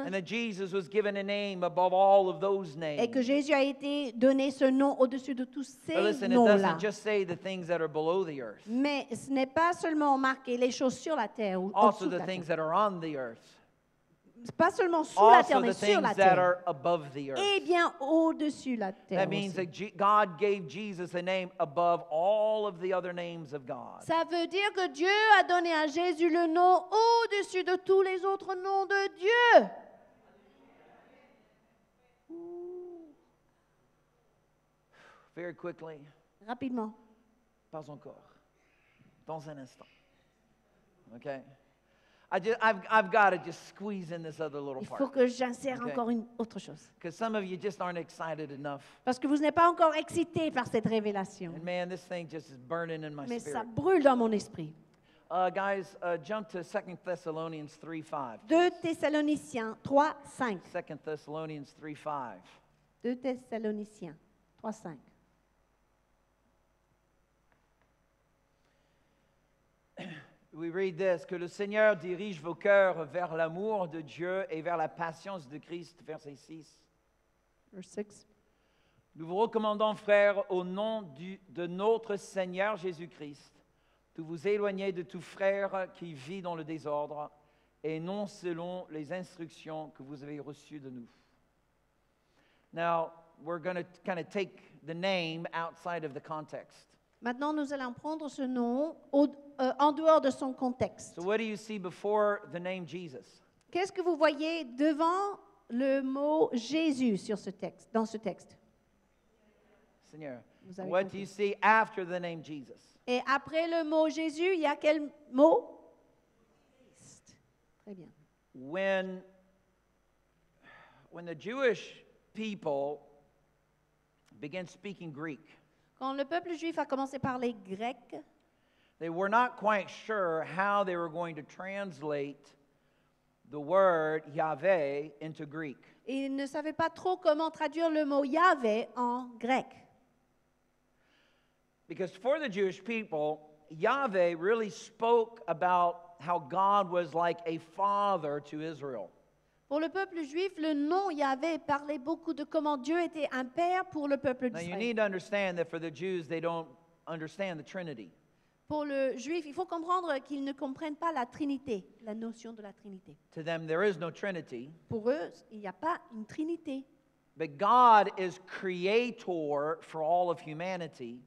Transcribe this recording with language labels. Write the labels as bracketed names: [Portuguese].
[English] And that Jesus was given a name above all of those names. [French] Et que Jésus a été donné ce nom au-dessus de tous ces noms-là. [English] But listen, it doesn't just say the things that are below the earth. [French] Mais ce n'est pas seulement marqué les choses sur la terre ou au-dessus de la terre. [English] Also the things that are on the earth. [French] Pas seulement sous la terre, mais sur la terre. [English] Also the things that are above the earth. [French] Et bien au-dessus de la terre. [English] That means that God gave Jesus a name above all of the other names of God. [French] Ça veut dire que Dieu a donné à Jésus le nom au-dessus de tous les autres noms de Dieu. [English] Very quickly. [French] Rapidement. Pas encore. Dans un instant. Okay. [English] I've got to just squeeze in this other little part. [French] Il faut que j'insère encore une autre chose. [English] Because some of you just aren't excited enough. [French] Parce que vous n'êtes pas encore excité par cette révélation. [English] And man, this thing just is burning in my [French] mais [English] spirit. [French] Mais ça brûle dans mon esprit. [English] Guys, jump to 2 Thessalonians 3:5. [French] 2 Thessaloniciens 3:5. [English] 2 Thessalonians 3:5. [French] 2 Thessaloniciens 3:5. [English] We read this, [French] que le Seigneur dirige vos cœurs vers l'amour de Dieu et vers la patience de Christ, verset 6. [English] Verse 6. [French] Nous vous recommandons, frères, au nom de notre Seigneur Jésus-Christ, de vous éloigner de tout frère qui vit dans le désordre et non selon les instructions que vous avez reçues de nous. [English] Now, we're going to kind of take the name outside of the context. [French] Maintenant, nous allons prendre ce nom en dehors de son contexte. [English] So what do you see before the name Jesus? [French] Qu'est-ce que vous voyez devant le mot Jésus sur ce texte, dans ce texte? [English] Seigneur, what compris. Do you see after the name Jesus? [French] Et après le mot Jésus, il y a quel mot? Christ. Très bien. [English] When the Jewish people began speaking Greek, [French] quand le peuple juif a commencé à parler grec, [English] they were not quite sure how they were going to translate the word Yahweh into Greek. [French] Ils ne savaient pas trop comment traduire le mot Yahweh en grec. [English] Because for the Jewish people, Yahweh really spoke about how God was like a father to Israel. [French] Pour le peuple juif, le nom Yahweh parlait beaucoup de comment Dieu était un père pour le peuple d'Israël. [English] Now you need to understand that for the Jews, they don't understand the Trinity. [French] Pour le juif, il faut comprendre qu'ils ne comprennent pas la Trinité, la notion de la Trinité. [English] To them, there is no Trinity. [French] Pour eux, il n'y a pas une Trinité. [English] But God is creator for all of humanity.